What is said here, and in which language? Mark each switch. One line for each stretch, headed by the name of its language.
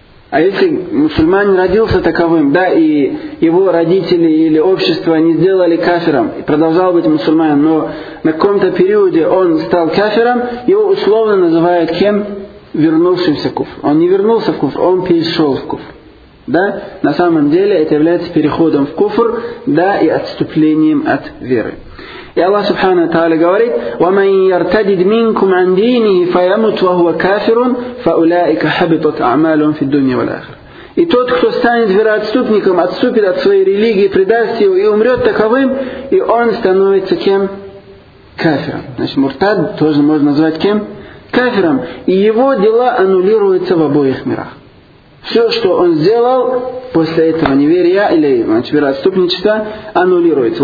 Russian: А если мусульманин родился таковым, да, и его родители или общество не сделали кафиром, продолжал быть мусульманином, но на каком-то периоде он стал кафиром, его условно называют кем? Вернувшимся в куфр. Он не вернулся в куфр, он перешел в куфр. Да? На самом деле это является переходом в куфр, да, и отступлением от веры. И Аллах Субхану ва Тааля говорит:
Arabic: وَمَنْ يَرْتَدِدْ مِنْكُمْ عَنْ دِينِهِ فَيَمُتْ وَهُوَ كَافِرٌ فَأُولَٰئِكَ حَبِطَتْ أَعْمَالُهُمْ فِي الدُّنْيَا وَالْآخِرَةِ.
Russian: И тот, кто станет вероотступником, отступит от своей религии, предаст ее и умрет таковым, и он становится кем? Кафиром. Значит, муртад тоже можно назвать кем? Кафиром. И его дела аннулируются в обоих мирах. Все, что он сделал после этого неверия или, значит, вероотступничества, аннулируется.